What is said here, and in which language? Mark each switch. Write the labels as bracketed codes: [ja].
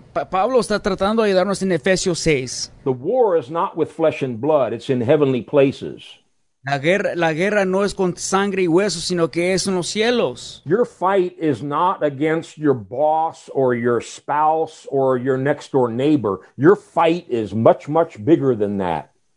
[es] Pablo está tratando de ayudarnos en Efesios 6. [en] The war is not with flesh and blood, it's in heavenly places. [es] La guerra no es con sangre y huesos, sino que es en los cielos. [en] Your fight is not against your boss or your spouse or your next door neighbor. Your fight is much, much bigger than that.